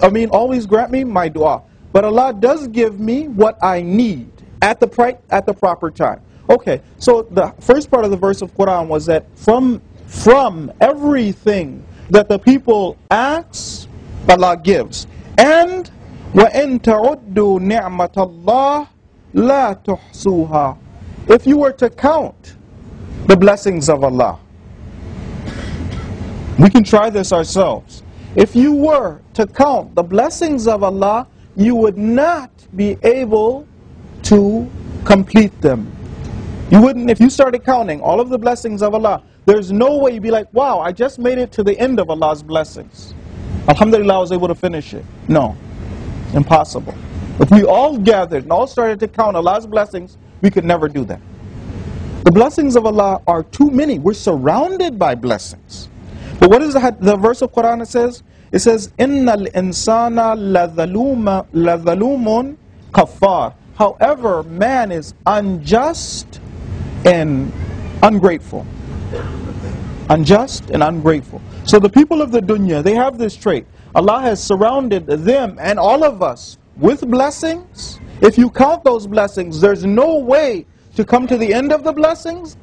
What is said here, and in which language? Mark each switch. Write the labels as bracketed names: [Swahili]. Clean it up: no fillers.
[English] I mean, always grant me my dua. But Allah does give me what I need at the proper time. Okay, so the first part of the verse of Quran was that from everything that the people ask, Allah gives. And [Arabic] وَإِن تَعُدُّوا نِعْمَةَ اللَّهِ لَا تُحْصُوهَا. [English] If you were to count the blessings of Allah, we can try this ourselves. If you were to count the blessings of Allah, you would not be able to complete them. You wouldn't, if you started counting all of the blessings of Allah, there's no way you'd be like, wow, I just made it to the end of Allah's blessings. Alhamdulillah, I was able to finish it. No, impossible. If we all gathered and all started to count Allah's blessings, we could never do that. The blessings of Allah are too many. We're surrounded by blessings. But what is the verse of Quran that says? It says, [Arabic] إِنَّ الْإِنسَانَ لَذَلُومٌ كَفَّارٌ. [English] However, man is unjust and ungrateful. Unjust and ungrateful. So the people of the dunya, they have this trait. Allah has surrounded them and all of us with blessings. If you count those blessings, there's no way to come to the end of the blessings.